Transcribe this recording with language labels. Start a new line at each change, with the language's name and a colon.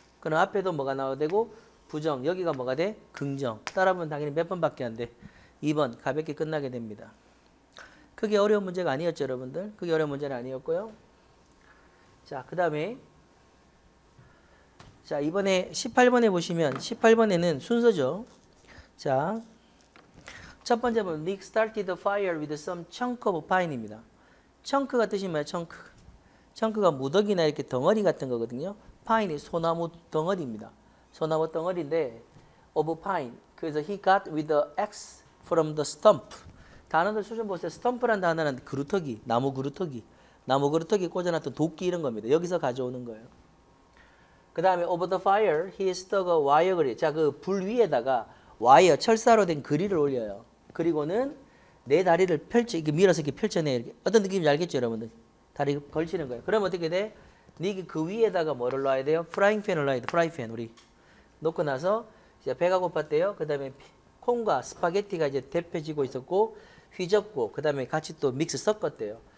Korean: 그럼 앞에도 뭐가 나와야 되고 부정. 여기가 뭐가 돼? 긍정. 따라보면 당연히 몇 번밖에 안 돼. 2번 가볍게 끝나게 됩니다. 그게 어려운 문제가 아니었죠, 여러분들. 그게 어려운 문제는 아니었고요. 자, 그 다음에 자, 이번에 18번에 보시면 18번에는 순서죠.
English: 자, 첫 번째 보면 Nick started the fire with some chunk of pine입니다.
Korean: chunk가 뜻이 뭐예요? chunk. chunk가 무더기나 이렇게 덩어리 같은 거거든요. pine이 소나무 덩어리입니다. 소나무 덩어리인데 of pine. 그래서
English: he got with the axe from the stump.
Korean: 단어들 수준 보세요. stump라는 단어는 그루터기, 나무 그루터기. 나무 그루터기 꽂아놨던 도끼 이런 겁니다. 여기서 가져오는 거예요. 그 다음에
English: over the fire, he stuck a wire grid.
Korean: 자, 그불 위에다가 와이어, 철사로 된 그릴을 올려요. 그리고는 내 다리를 펼쳐, 이렇게 밀어서 이렇게 펼쳐내요. 이렇게. 어떤 느낌인지 알겠죠, 여러분들? 다리 걸치는 거예요. 그럼 어떻게 돼? 니기 그 위에다가 뭐를 놔야 돼요? 프라이팬을 놔야 돼, 프라이팬, 우리. 놓고 나서 이제 배가 고팠대요. 그 다음에 콩과 스파게티가 이제 데펴지고 있었고, 휘젓고, 그 다음에 같이 또 믹스 섞었대요.